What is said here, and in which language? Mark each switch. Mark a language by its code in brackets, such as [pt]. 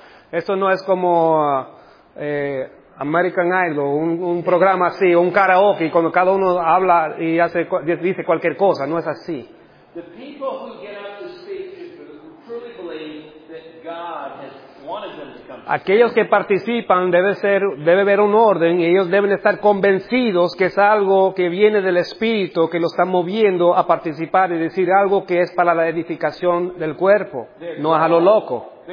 [es] Esto no es como American Idol, un programa así, un karaoke, cuando cada uno habla y hace, dice cualquier cosa. No es así. [en] The people who get up to speak who truly believe that God has wanted them to come. [es] Aquellos que participan debe haber un orden y ellos deben estar convencidos que es algo que viene del Espíritu que lo está moviendo a participar y decir algo que es para la edificación del cuerpo. No es a lo loco.